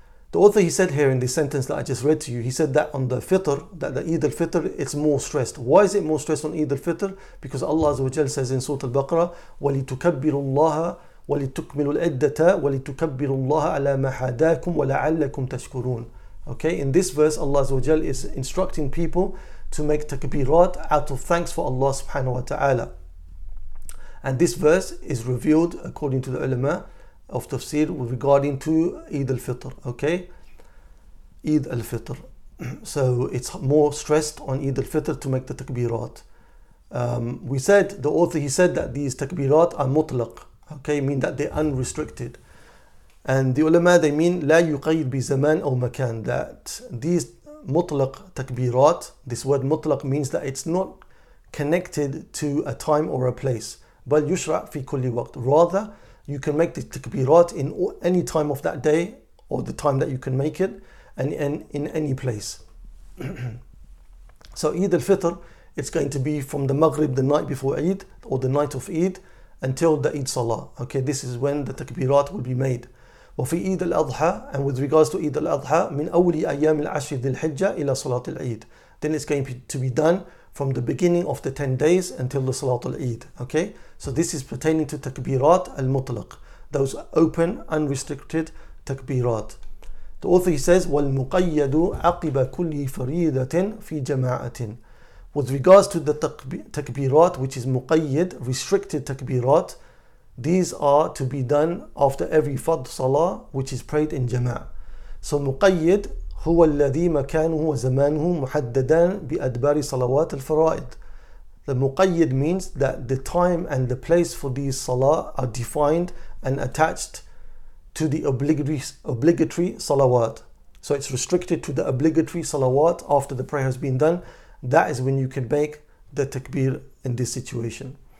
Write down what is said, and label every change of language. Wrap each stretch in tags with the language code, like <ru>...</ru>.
<en>The author, he said here in this sentence that I just read to you, he said that on the Fitr, that the Eid al-Fitr, it's more stressed. Why is it more stressed on Eid al-Fitr? Because Allah Azza wa Jalla says in Surah Al-Baqarah,</en> <ar>وَلِتُكَبِّرُ اللَّهَ وَلِتُكْمِلُ الْعِدَّةَ وَلِتُكَبِّرُ اللَّهَ عَلَى مَا حَدَاكُمْ وَلَعَلَّكُمْ تَشْكُرُونَ.</ar> <en>Okay, in this verse, Allah Azza wa Jalla is instructing people to make takbirat out of thanks for Allah subhanahu wa ta'ala. And this verse is revealed according to the ulama of tafsir regarding to Eid al-Fitr, okay? Eid al-Fitr. So it's more stressed on Eid al-Fitr to make the takbirat. We said, the author, he said that these takbirat are mutlaq, okay? Mean that they're unrestricted. And the ulama, they mean,</en> <ar>لا يقيد بزمان أو مكان.</ar> <en>That these mutlaq takbirat, this word mutlaq means that it's not connected to a time or a place.</en> <ar>بل يشرع في كل وقت.</ar> <en>Rather, you can make the takbirat in any time of that day or the time that you can make it, and in any place. So Eid al-Fitr, it's going to be from the Maghrib, the night before Eid, or the night of Eid, until the Eid Salah. Okay, this is when the takbirat will be made.</en> <ar>وفي</ar> <en>Eid al-Adha, and with regards to Eid al-Adha,</en> <ar>من أول أيام العشر ذي الحجة إلى صلاة العيد.</ar> <en>Then it's going to be done from the beginning of the 10 days until the Salatul Eid. Okay, so this is pertaining to takbirat al-mutlaq, those open, unrestricted takbirat. The author, he says,</en> <ar>وَالْمُقَيَّدُ عَقِبَ كُلِّ فَرِيدَةٍ فِي جَمَاعَةٍ.</ar> <en>With regards to the takbirat, which is muqayyid, restricted takbirat, these are to be done after every fard salah, which is prayed in jama'ah. So muqayyid,</en> <ar>هو الذي مكانه وزمانه محددان بأدبار صلوات الفرائض.</ar> <en>The muqayyid means that the time and the place for these salah are defined and attached to the obligatory salawat. So it's restricted to the obligatory salawat after the prayer has been done. That is when you can make the takbir in this situation.</en>